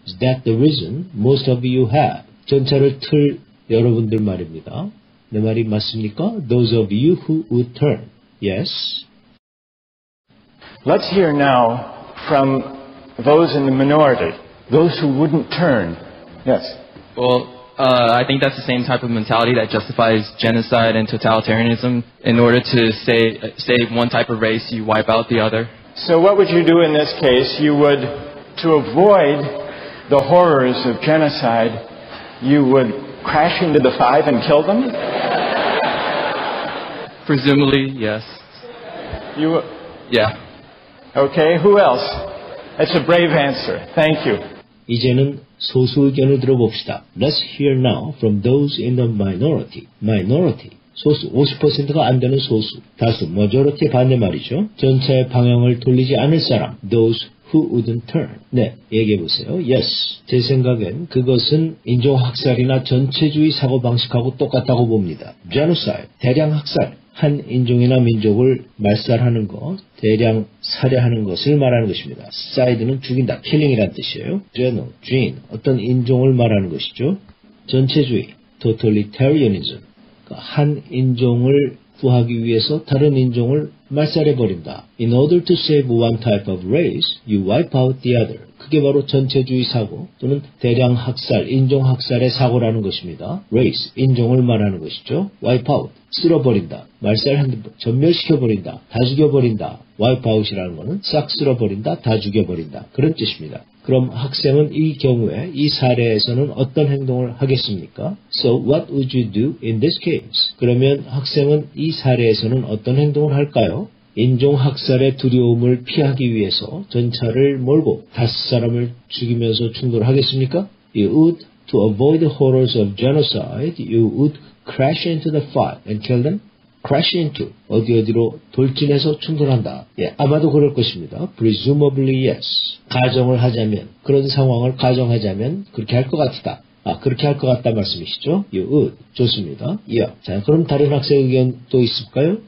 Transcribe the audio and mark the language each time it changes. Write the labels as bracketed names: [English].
[English] Is that the reason most of you have? [Korean] 전차를 틀 여러분들 말입니다. 내 말이 맞습니까? [English] Those of you who would turn. Yes? Let's hear now from those in the minority. Those who wouldn't turn. Yes? Well, I think that's the same type of mentality that justifies genocide and totalitarianism. In order to save one type of race, you wipe out the other. So what would you do in this case? You would, to avoid the horrors of genocide, you would crash into the five and kill them? Presumably, yes. You? Yeah. Okay, who else? That's a brave answer. Thank you. [Korean] 이제는 소수 의견을 들어봅시다. [English] Let's hear now from those in the minority. [Korean] Minority. 소수, 50%가 안 되는 소수. 다수, majority 반대말이죠. 전체의 방향을 돌리지 않을 사람. [English] Those who wouldn't turn. [Korean] 네, 얘기해 보세요. [English] Yes. [Korean] 제 생각엔 그것은 인종학살이나 전체주의 사고방식하고 똑같다고 봅니다. Genocide. 대량학살. 한 인종이나 민족을 말살하는 것, 대량 살해하는 것을 말하는 것입니다. Side는 죽인다, killing이란 뜻이에요. Geno, gene, 어떤 인종을 말하는 것이죠. 전체주의, totalitarianism, 한 인종을 구하기 위해서 다른 인종을 말살해버린다. [English] In order to save one type of race, you wipe out the other. [Korean] 그게 바로 전체주의 사고 또는 대량학살, 인종학살의 사고라는 것입니다. Race, 인종을 말하는 것이죠. Wipe out, 쓸어버린다. 말살한 전멸시켜버린다. 다 죽여버린다. Wipe out이라는 것은 싹 쓸어버린다, 다 죽여버린다. 그런 뜻입니다. 그럼 학생은 이 경우에, 이 사례에서는 어떤 행동을 하겠습니까? [English] So what would you do in this case? [Korean] 그러면 학생은 이 사례에서는 어떤 행동을 할까요? 인종학살의 두려움을 피하기 위해서 전차를 몰고 다섯 사람을 죽이면서 충돌하겠습니까? [English] You would, to avoid the horrors of genocide, you would crash into the fight and kill them? [Korean] Crash into, 어디 어디로 돌진해서 충돌한다. 예, 아마도 그럴 것입니다. [English] Presumably yes. [Korean] 가정을 하자면, 그런 상황을 가정하자면 그렇게 할 것 같다. 아, 그렇게 할 것 같다 말씀이시죠? [English] You would. [Korean] 좋습니다. [English] Yeah. [Korean] 자, 그럼 다른 학생 의견 또 있을까요?